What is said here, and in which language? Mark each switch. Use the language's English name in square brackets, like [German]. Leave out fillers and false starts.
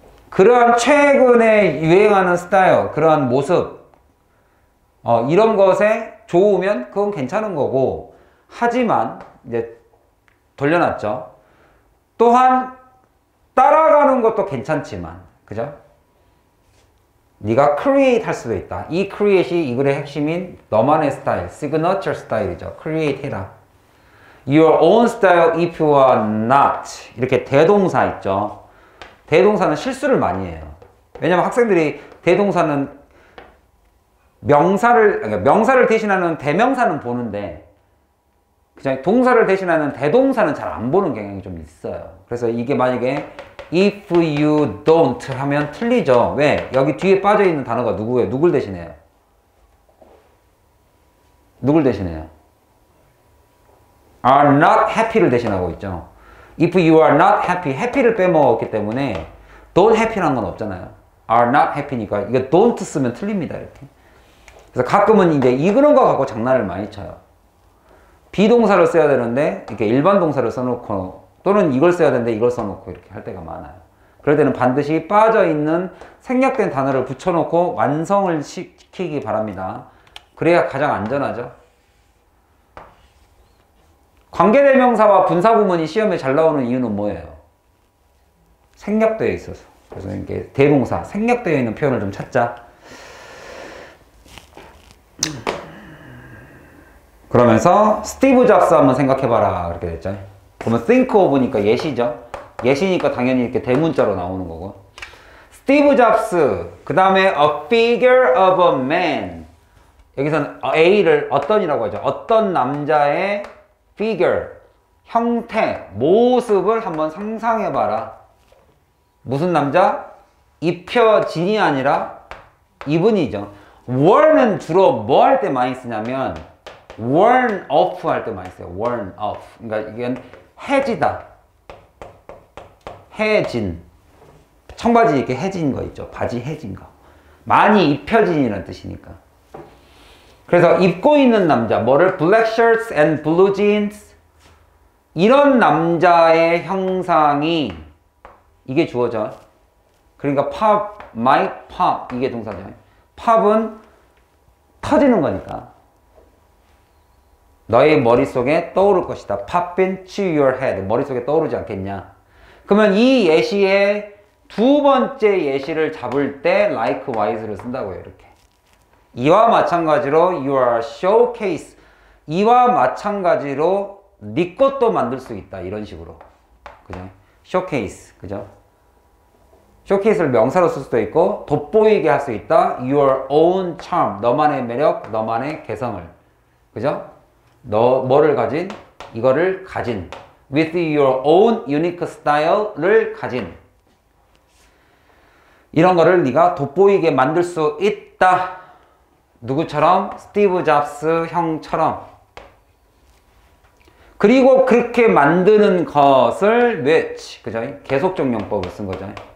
[Korean] 그러한 최근에 유행하는 스타일, 그러한 모습, 이런 것에 좋으면 그건 괜찮은 거고, 하지만, 이제 돌려놨죠. 또한, 따라가는 것도 괜찮지만, 그죠? 네가 create 할 수도 있다. 이 create이 이 글의 핵심인 너만의 스타일, signature 스타일이죠. create 해라. [English] your own style if you are not. [Korean] 이렇게 대동사 있죠. 대동사는 실수를 많이 해요. 왜냐면 학생들이 대동사는 명사를 대신하는 대명사는 보는데, 그냥 동사를 대신하는 대동사는 잘 안 보는 경향이 좀 있어요. 그래서 이게 만약에 [English] If you don't [Korean] 하면 틀리죠. 왜? 여기 뒤에 빠져 있는 단어가 누구예요? 누굴 대신해요? 누굴 대신해요? [English] Are not happy를 [Korean] 대신하고 있죠. [English] If you are not happy, happy를 [Korean] 빼먹었기 때문에 [English] don't happy [Korean] 라는 건 없잖아요. Are not happy니까 이거 don't 쓰면 틀립니다. 이렇게. 그래서 가끔은 이제 이 그런 거 갖고 장난을 많이 쳐요. 비동사를 써야 되는데 이렇게 일반 동사를 써놓고 또는 이걸 써야 되는데 이걸 써놓고 이렇게 할 때가 많아요. 그럴 때는 반드시 빠져있는 생략된 단어를 붙여놓고 완성을 시키기 바랍니다. 그래야 가장 안전하죠. 관계대명사와 분사구문이 시험에 잘 나오는 이유는 뭐예요? 생략되어 있어서. 그래서 이게 대명사, 생략되어 있는 표현을 좀 찾자. 그러면서 스티브 잡스 한번 생각해봐라 이렇게 됐죠. 그러면 think of니까 예시죠. 예시니까 당연히 이렇게 대문자로 나오는 거고. 스티브 잡스, 그 다음에 a figure of a man. 여기서는 A를 어떤이라고 하죠. 어떤 남자의 figure, 형태, 모습을 한번 상상해봐라. 무슨 남자? 입혀진이 아니라 이분이죠. worn은 주로 뭐 할 때 많이 쓰냐면 [English] worn off [Korean] 할 때 많이 써요. worn off. 그러니까 이건 해지다. 해진. 청바지 이렇게 해진 거 있죠. 바지 해진 거. 많이 입혀진이라는 뜻이니까. 그래서 입고 있는 남자, 뭐를? [English] black shirts and blue jeans. [Korean] 이런 남자의 형상이 이게 주어져. 그러니까 [English] pop, might pop. [Korean] 이게 동사죠. pop은 터지는 거니까. 너의 머릿속에 떠오를 것이다. [English] pop into your head. [Korean] 머릿속에 떠오르지 않겠냐. 그러면 이 예시의 두 번째 예시를 잡을 때 likewise를 쓴다고 해요. 이렇게. 이와 마찬가지로 [English] you are showcase. [Korean] 이와 마찬가지로 네 것도 만들 수 있다. 이런 식으로. 그죠? showcase. 그죠? showcase를 명사로 쓸 수도 있고 돋보이게 할 수 있다. [English] your own charm. [Korean] 너만의 매력, 너만의 개성을. 그죠? 너 뭐를 가진? 이거를 가진. [English] with your own unique style를 [Korean] 가진. 이런 거를 네가 돋보이게 만들 수 있다. 누구처럼? 스티브 잡스 형처럼. 그리고 그렇게 만드는 것을 which, 그죠? 계속적 용법을 쓴 거죠.